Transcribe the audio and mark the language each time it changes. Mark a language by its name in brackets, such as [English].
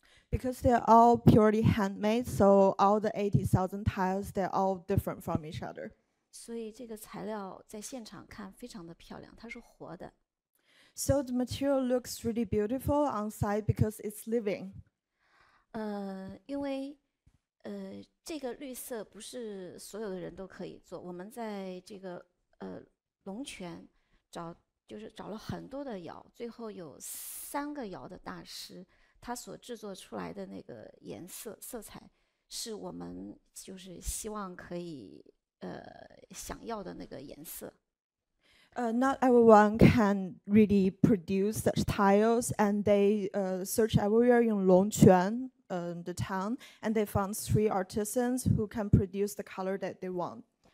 [English] Because they are all purely handmade, so all the 80,000 tiles, they're all different from each other. [Chinese] 所以这个材料在现场看非常的漂亮, 它是活的。 [English] So the material looks really beautiful on site because it's living. [Chinese] 因为这个绿色不是所有的人都可以做, 我们在这个龙泉找了很多的窑, 最后有三个窑的大师, 它所制作出来的那个颜色色彩是我们就是希望可以想要的那个颜色。 [English] Not everyone can really produce such tiles, and they search everywhere in Longquan, the town, and they found three artisans who can produce the color that they want.